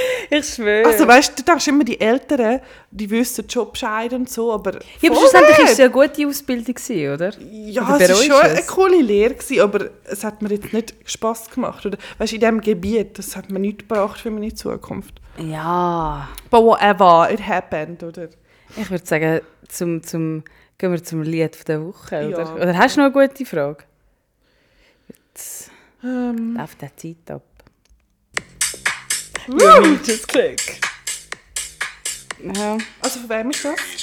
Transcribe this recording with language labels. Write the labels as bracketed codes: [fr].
[de] Ich schwöre. Also weißt du, du denkst immer, die Eltern, die wissen Job Bescheid und so, aber... Ja, aber schlussendlich war es eine gute Ausbildung, oder? Ja, oder es war schon eine coole Lehre, aber es hat mir jetzt nicht Spass gemacht. Oder, weißt du, in diesem Gebiet, das hat mir nichts gebracht für meine Zukunft. Ja. [en] But whatever, it happened, [de] oder? Ich würde sagen, gehen wir zum Lied der Woche, oder? Ja. Oder hast du noch eine gute Frage? Auf der Zeit ab. [en] Woo! Just click. [de] Ja. Also von wem ist das?